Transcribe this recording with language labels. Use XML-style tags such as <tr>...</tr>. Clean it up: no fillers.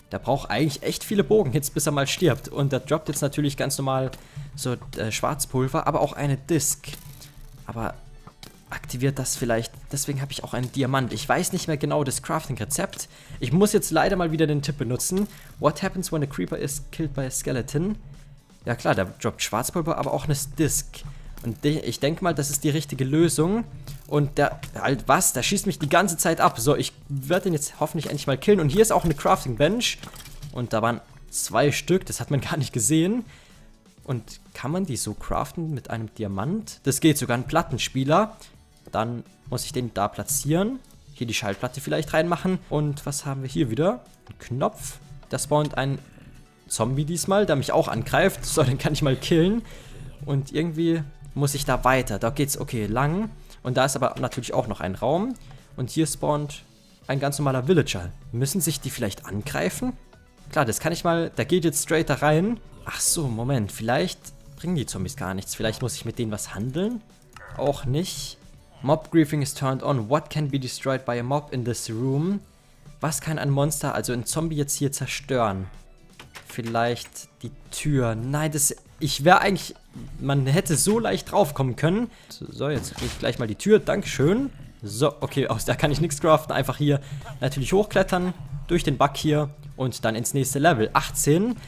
<de>Der braucht eigentlich echt viele Bogen, jetzt bis er mal stirbt. Und der droppt jetzt natürlich ganz normal so Schwarzpulver, aber auch eine Disc. Aber... aktiviert das vielleicht. Deswegen habe ich auch einen Diamant. Ich weiß nicht mehr genau das Crafting-Rezept. Ich muss jetzt leider mal wieder den Tipp benutzen.</de> <en>What happens when a creeper is killed by a skeleton?</en> <de>Ja klar, der droppt Schwarzpulver, aber auch eine Disc. Und ich denke mal, das ist die richtige Lösung. Und der... halt was? Der schießt mich die ganze Zeit ab. So, ich werde den jetzt hoffentlich endlich mal killen. Und hier ist auch eine Crafting-Bench. Und da waren zwei Stück. Das hat man gar nicht gesehen. Und kann man die so craften mit einem Diamant? Das geht sogar, ein Plattenspieler. Dann muss ich den da platzieren. Hier die Schallplatte vielleicht reinmachen. Und was haben wir hier wieder? Ein Knopf. Da spawnt ein Zombie diesmal, der mich auch angreift. So, den kann ich mal killen. Und irgendwie muss ich da weiter. Da geht's okay lang. Und da ist aber natürlich auch noch ein Raum. Und hier spawnt ein ganz normaler Villager. Müssen sich die vielleicht angreifen? Klar, das kann ich mal. Der geht jetzt straight da rein. Ach so, Moment, vielleicht bringen die Zombies gar nichts. Vielleicht muss ich mit denen was handeln. Auch nicht.</de> <en>Mob griefing is turned on. What can be destroyed by a mob in this room?</en> <de>Was kann ein Monster, also ein Zombie, jetzt hier zerstören? Vielleicht die Tür. Nein, das... Ich wäre eigentlich... Man hätte so leicht draufkommen können. So, jetzt kriege ich gleich mal die Tür. Dankeschön. So, okay, aus der kann ich nichts craften. Einfach hier natürlich hochklettern. Durch den Bug hier. Und dann ins nächste Level. 18.</de>